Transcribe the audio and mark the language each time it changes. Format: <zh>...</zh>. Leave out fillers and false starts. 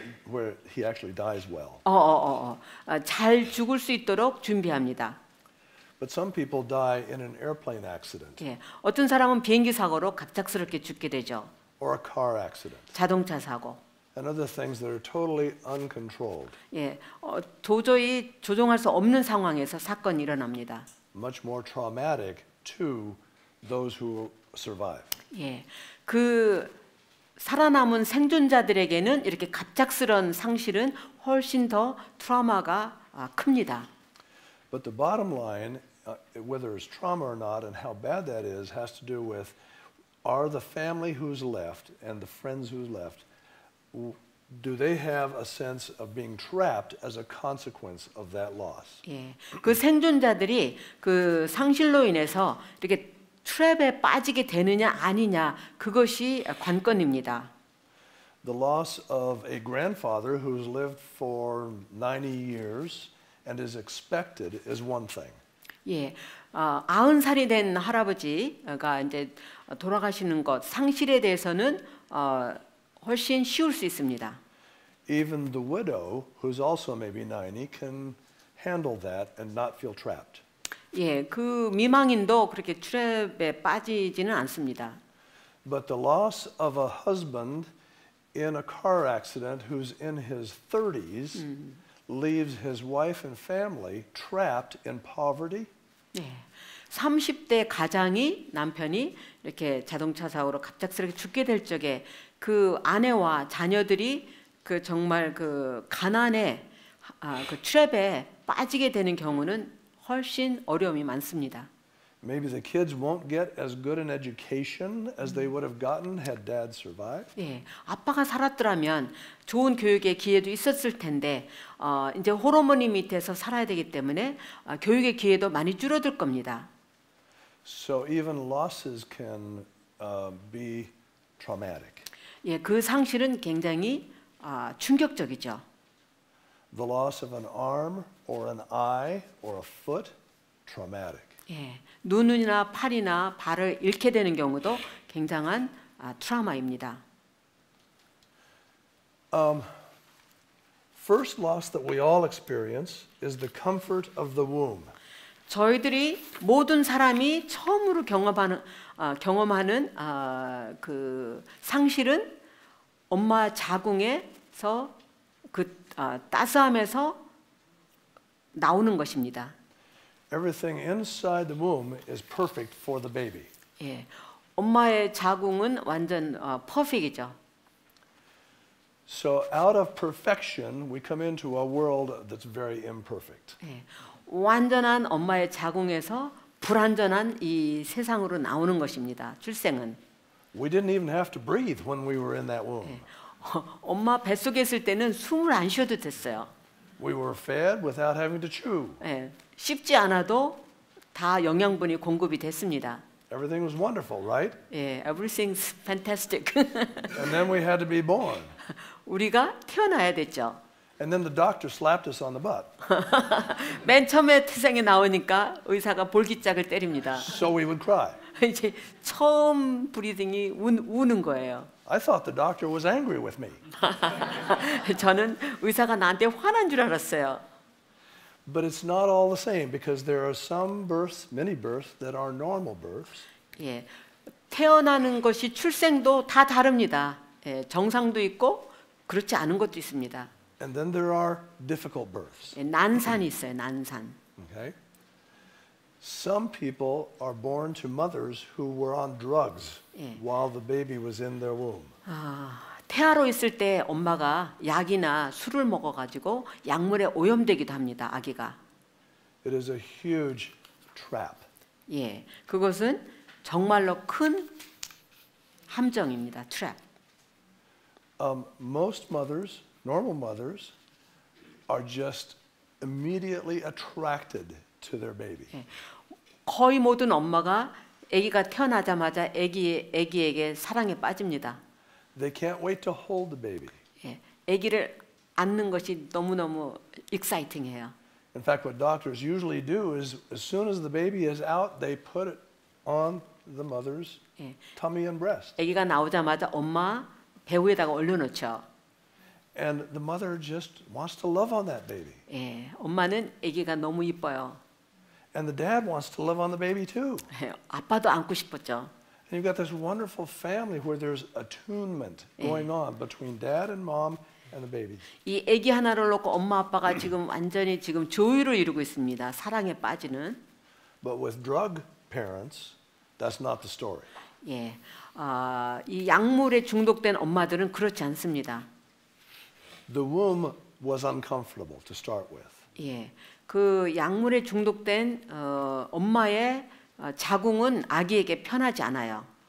<en>Where he actually dies well.</en> <ko>잘 죽을 수 있도록 준비합니다.</ko> <en>But some people die in an airplane accident.</en> <ko>예, 어떤 사람은 비행기 사고로 갑작스럽게 죽게 되죠.</ko> <en>Or a car accident.</en> <ko>자동차 사고.</ko> <en>And other things that are totally uncontrolled.</en> <ko>예, 도저히 조종할 수 없는 상황에서 사건이 일어납니다.</ko> <en>Much more traumatic to those who survive.</en> <ko>예, 그 살아남은 생존자들에게는 이렇게 갑작스런 상실은 훨씬 더 트라우마가 큽니다.</ko> <en>But the bottom line, whether it's trauma or not, and how bad that is, has to do with are the family who's left and the friends who's left. Do they have a sense of being trapped as a consequence of that loss?</en> <ko>예, 그 생존자들이 그 상실로 인해서 이렇게 트랩에 빠지게 되느냐 아니냐 그것이 관건입니다.</ko> <en>The loss of a grandfather who's lived for 90 years and is expected is one thing.</en> <ko>예, 아흔 살이 된 할아버지가 이제 돌아가시는 것 상실에 대해서는 훨씬 쉬울 수 있습니다.</ko> <en>Even the widow, who's also maybe 90, can handle that and not feel trapped.</en> <ko>예, 그 미망인도 그렇게 트랩에 빠지지는 않습니다.</ko> <en>But the loss of a husband in a car accident who's in his 30s leaves his wife and family trapped in poverty.</en> <ko>예, 30대 가장이 남편이 이렇게 자동차 사고로 갑작스럽게 죽게 될 적에 그 아내와 자녀들이 그 정말 그 가난에 그 트랩에 빠지게 되는 경우는 훨씬 어려움이 많습니다.</ko> <en>Maybe the kids won't get as good an education as they would have gotten had dad survived.</en> <ko>예, 아빠가 살았더라면 좋은 교육의 기회도 있었을 텐데 이제 호르몬이 밑에서 살아야 되기 때문에 교육의 기회도 많이 줄어들 겁니다.</ko> <en>So even losses can be traumatic.</en> <ko>예, 그 상실은 굉장히 충격적이죠.</ko> <en>The loss of an arm or an eye or a foot, traumatic.</en> <ko>예, 눈이나 팔이나 발을 잃게 되는 경우도 굉장한 트라우마입니다.</ko> <en>First loss that we all experience is the comfort of the womb.</en> <ko>저희들이 모든 사람이 처음으로 경험하는 그 상실은 엄마 자궁에서 그 따스함에서 나오는 것입니다.</ko> <en>Everything inside the womb is perfect for the baby.</en> <ko>예, 엄마의 자궁은 완전 퍼펙트죠.</ko> <en>So out of perfection, we come into a world that's very imperfect.</en> <ko>예, 완전한 엄마의 자궁에서 불완전한 이 세상으로 나오는 것입니다. 출생은.</ko> <en>We didn't even have to breathe when we were in that womb.</en> <ko>엄마 뱃속에 있을 때는 숨을 안 쉬어도 됐어요.</ko> <en>We were fed without having to chew.</en> <ko>예, 씹지 않아도 다 영양분이 공급이 됐습니다.</ko> <en>Everything was wonderful, right? 예, everything's fantastic. And then we had to be born.</en> <ko>우리가 태어나야 됐죠.</ko> <en>And then the doctor slapped us on the butt.</en> <ko>맨 처음에 태생이 나오니까 의사가 볼기짝을 때립니다.</ko> <en>So we would cry.</en> <ko>이제 처음 브리딩이 우는 거예요.</ko> <en>I thought the doctor was angry with me.</en> <ko>저는 의사가 나한테 화난 줄 알았어요.</ko> <en>But it's not all the same because there are some births, many births that are normal births.</en> <ko>예. 태어나는 것이 출생도 다 다릅니다. 예, 정상도 있고 그렇지 않은 것도 있습니다.</ko> <en>And then there are difficult births.</en> <ko>예, 난산이 있어요. 난산.</ko> <en>Okay. Some people are born to mothers who were on drugs 예. while the baby was in their womb.</en> <ko>아, 태아로 있을 때 엄마가 약이나 술을 먹어 가지고 약물에 오염되기도 합니다. 아기가.</ko> <en>It is a huge trap.</en> <ko>예. 그것은 정말로 큰 함정입니다. 트랩.</ko> <en>Most mothers, normal mothers are just immediately attracted to their baby.</en> <ko>거의 모든 엄마가 아기가 태어나자마자 아기에게 사랑에 빠집니다.</ko> <en>They can't wait to hold the baby.</en> <ko>아기를 안는 것이 너무너무 exciting해요.</ko> <en>In fact, what doctors usually do is as soon as the baby is out, they put it on the mother's tummy and breast.</en> <ko>아기가 나오자마자 엄마 배에다가 올려놓죠.</ko> <en>And the mother just wants to love on that baby.</en> <ko>예, 엄마는 아기가 너무 이뻐요.</ko> <en>And the dad wants to love on the baby too.</en> <ko>아빠도 안고 싶었죠.</ko> <en>And you've got this wonderful family where there's attunement going on between dad and mom and the baby.</en> <ko>이 아기 하나를 놓고 엄마 아빠가 지금 완전히 지금 조율을 이루고 있습니다. 사랑에 빠지는.</ko> <en>But with drug parents, that's not the story.</en> <ko>예. 이 약물에 중독된 엄마들은 그렇지 않습니다.</ko> <en>The womb was uncomfortable to start with.</en> <ko>예. 그 약물에 중독된 엄마의 자궁은 아기에게 편하지 않아요.</ko>